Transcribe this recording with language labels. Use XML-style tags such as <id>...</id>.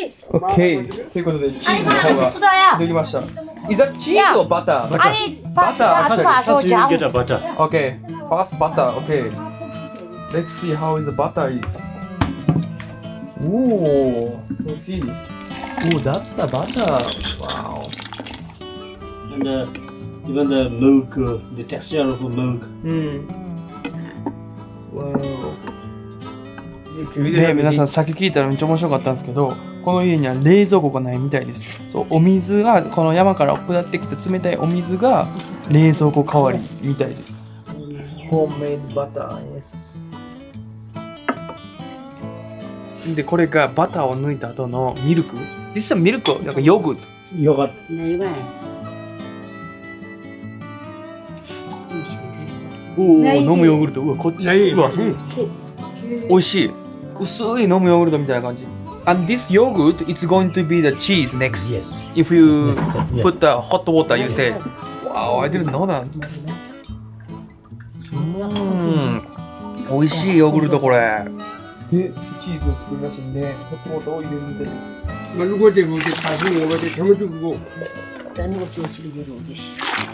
<ja>OK、 ということでチーズの方ができました。</ja> <en>Is that cheese or butter? Butter. Butter. You get a butter. OK, first butter. OK, let's see how the butter is. Ooh, let's see. Ooh, that's the butter. Wow. And even the milk, the texture of the milk. Wow.</en> <ja>で、皆さんさっき聞いたらめっちゃ面白かったんですけど、この家には冷蔵庫がないみたいです。そう、お水がこの山から下ってきた冷たいお水が冷蔵庫代わりみたいです。ホームメイドバター、yes. で、これがバターを抜いた後のミルク。実はミルクなんかヨーグルト。ヨーグルト。おお、飲むヨーグルト。うわ、こっち。うわ、おいしい。薄い飲むヨーグルトみたいな感じ。</ja> <en>And this yogurt, it's going to be the cheese next. Yes. If you put the hot water, you say. Wow, I didn't know that.</en> <ja>美味しいヨーグルトこれ。で、チーズを作りますんで、ホットウォーターを入れるみたいです。まあ、如果でも、で、多分、俺で、全部で、こう。何が調子が出るんですか。</ja>